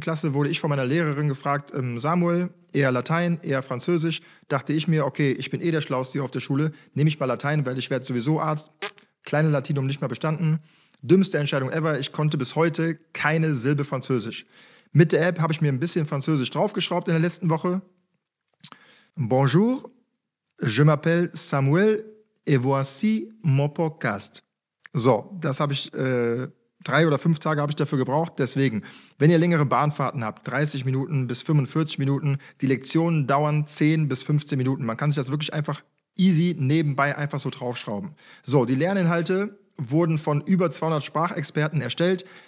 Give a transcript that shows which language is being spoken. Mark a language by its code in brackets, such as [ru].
[de] Klasse wurde ich von meiner Lehrerin gefragt, Samuel, eher Latein, eher Französisch. Dachte ich mir, okay, ich bin eh der Schlauste hier auf der Schule, nehme ich mal Latein, weil ich werde sowieso Arzt. Kleine Latinum nicht mehr bestanden. Dümmste Entscheidung ever, ich konnte bis heute keine Silbe Französisch. Mit der App habe ich mir ein bisschen Französisch draufgeschraubt in der letzten Woche. [fr] Bonjour, je m'appelle Samuel et voici mon podcast. [de] So, das habe ich 3 oder 5 Tage habe ich dafür gebraucht. Deswegen, wenn ihr längere Bahnfahrten habt, 30 Minuten bis 45 Minuten, die Lektionen dauern 10 bis 15 Minuten. Man kann sich das wirklich einfach easy nebenbei einfach so draufschrauben. So, die Lerninhalte wurden von über 200 Sprachexperten erstellt.